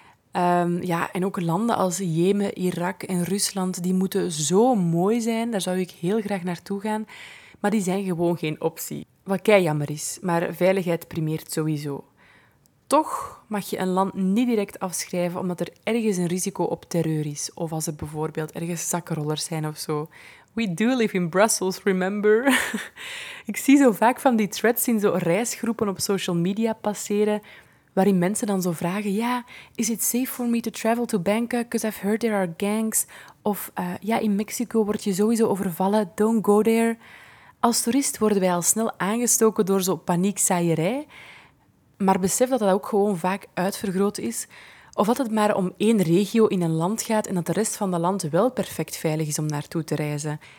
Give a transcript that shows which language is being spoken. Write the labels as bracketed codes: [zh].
[nl] En ook landen als Jemen, Irak en Rusland, die moeten zo mooi zijn. Daar zou ik heel graag naartoe gaan. Maar die zijn gewoon geen optie. Wat kei jammer is, maar veiligheid primeert sowieso. Toch mag je een land niet direct afschrijven omdat er ergens een risico op terreur is. Of als er bijvoorbeeld ergens zakkenrollers zijn of zo. [en] We do live in Brussels, remember? [nl] Ik zie zo vaak van die threads in zo reisgroepen op social media passeren, waarin mensen dan zo vragen, ja, [en] is it safe for me to travel to Bangkok? Because I've heard there are gangs. [nl] Of ja, in Mexico word je sowieso overvallen, [en] don't go there. [nl] Als toerist worden wij al snel aangestoken door zo'n paniekzaaierij. Maar besef dat dat ook gewoon vaak uitvergroot is, Of dat het maar om één regio in een land gaat en dat de rest van het land wel perfect veilig is om naartoe te reizen.